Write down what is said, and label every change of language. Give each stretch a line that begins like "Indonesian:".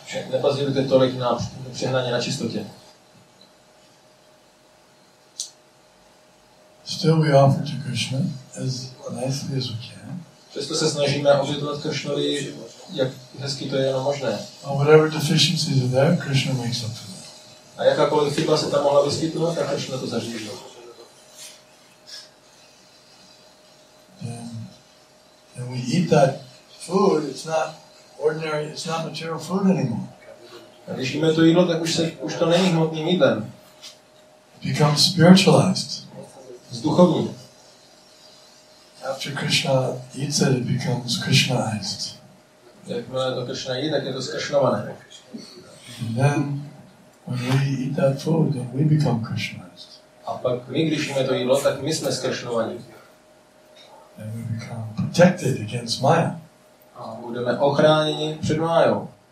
Czech: Nepazírujte tolik na přehnaně na čistotě.
English: Still we offer to Krishna as nicely as we can.
Czech: Přesto se snažíme obětovat Krishnovi, jak hezky to je jenom možné.
English: And whatever deficiencies are there, Krishna makes up for that.
Czech: A jakákoliv chyba se tam mohla vyskytnout, tak Krishna to zařídil.
English: Then we eat that food, it's not ordinary, it's not material food anymore.
Czech: A když jíme to jídlo, tak už to není hmotným jídlem.
English: Become spiritualized.
Czech: Zduchovní.
English: After Krishna eats it, it becomes Krishnaized.
Czech: Jakmile to Krishna jí, tak je to zkrishnované.
English: And then, when we eat that food, then we become Krishnaized.
Czech: A pak my, když jíme to jídlo, tak my jsme zkrishnovaní.
English: And we become protected against Maya.
Czech: A budeme ochráněni před Mayou.